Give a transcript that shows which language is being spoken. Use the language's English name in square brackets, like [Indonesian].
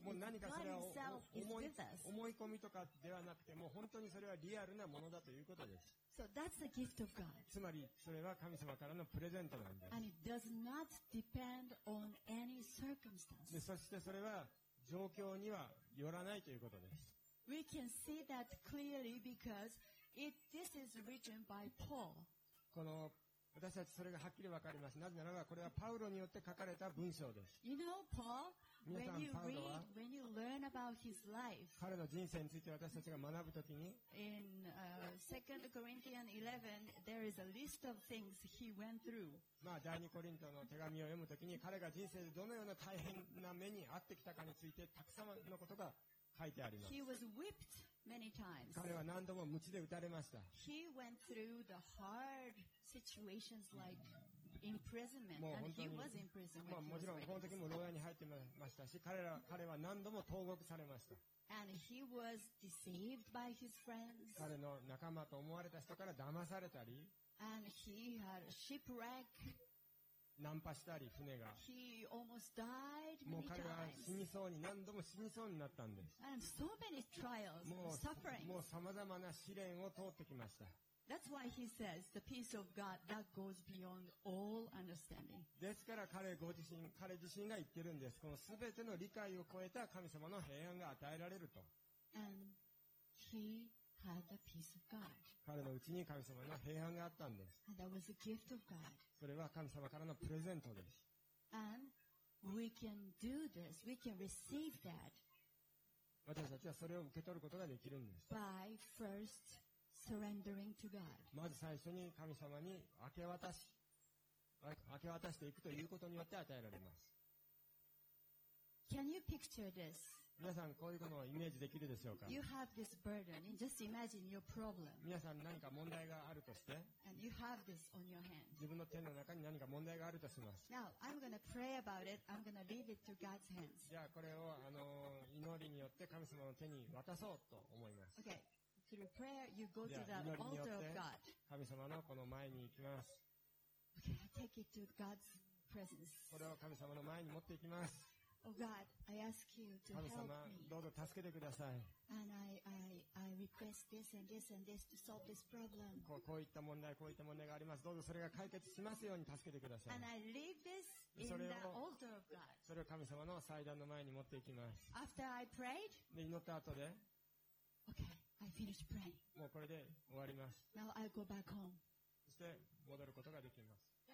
[Japanese] もう何かそれは思い込みとかではなくてもう本当にそれはリアルなものだということです。 [English] So that's the gift of God. [Japanese] つまりそれは神様からのプレゼントなんです。 [English] And it does not depend on any circumstance. [Japanese] そしてそれは状況にはよらないということです。 [English] We can see that clearly because this is written by Paul. [Japanese] この私たちそれがはっきりわかります。なぜならばこれはパウロによって書かれた文章です。 [English] You know, Paul, [Japanese] 皆さん、 [English] when you read, when you learn about his life, [Japanese] 彼の人生について私たちが学ぶときに、 [English] in 2 Corinthians 11, there is a list of things he went through. [Japanese] まあ、第2コリントの手紙を読むときに、彼が人生でどのような大変な目に遭ってきたかについて、たくさんのことが書いてあります。 [English] He was whipped many times. [Japanese] 彼は何度も鞭で打たれました。 [English] He went through the hard situations like imprisonment. [Japanese] もう本当に、 [English] and he was in prison when he was whipped. [Japanese] もちろんこの時も牢屋に入ってましたし、彼は何度も投獄されました。 [English] And he was deceived by his friends. [Japanese] 彼の仲間と思われた人から騙されたり。 [English] And he had a shipwreck. [Japanese] ナンパしたり船が [English] He almost died many times. [Japanese] もう彼は死にそうに何度も死にそうになったんです。 [English] And so many trials and suffering. [Japanese] もうさまざまな試練を通ってきました。 [English] That's why he says the peace of God that goes beyond all understanding. [Japanese] ですから彼自身が言ってるんです。この全ての理解を超えた神様の平安が与えられると。 [English] And he had the peace of God. [Japanese] 彼のうちに神様の平安があったんです。 [English] And that was a gift of God. [Japanese] それは神様からのプレゼントです。 [English] And we can do this. We can receive that. [Japanese] 私たちはそれを受け取ることができるんです。 [English] By first surrendering to God. [Japanese] まず最初に神様に明け渡していくということによって与えられます。 [English] Can you picture this? [Japanese] 皆さんこういうものをイメージできるでしょうか? [English] You have this burden. Just imagine your problem. [Japanese] 皆さん何か問題があるとして、 [English] And you have this on your hand. [Japanese] 自分の手の中に何か問題があるとします。 [English] Now, I'm going to pray about it. I'm going to leave it to God's hands. [Japanese] じゃあこれを祈りによって神様の手に渡そうと思います。 [English] Okay. Through prayer, you go to the altar of God. [Japanese] 神様のこの前に行きます。 [English] Okay, take it to God's presence. [Japanese] これを神様の前に持っていきます。 [English] Oh God, I ask you to help me. [Japanese] 神様、どうぞ助けてください。 [English] And I request this and this and this to solve this problem. [Japanese] こういった問題があります。どうぞそれが解決しますように助けてください。 [English] And I leave this in the altar of God. [Japanese] それを神様の祭壇の前に持っていきます。 [English] After I prayed. [Japanese] で祈った後で。 [English] Okay, I finished praying. [Japanese] もうこれで終わります。 [English] Now I go back home. [Japanese] そして戻ることができます。